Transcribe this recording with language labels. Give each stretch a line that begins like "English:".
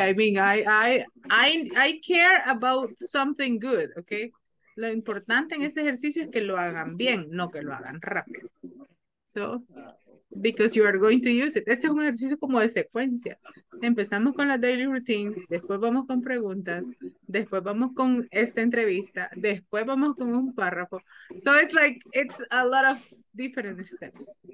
English: I mean, I care about something good, okay?
Spanish: Lo importante en este ejercicio es que lo hagan bien, no que lo hagan rápido.
English: So, because you are going to use it.
Spanish: Este es un ejercicio como de secuencia. Empezamos con las daily routines, después vamos con preguntas, después vamos con esta entrevista, después vamos con un párrafo.
English: So it's like, it's a lot of different steps.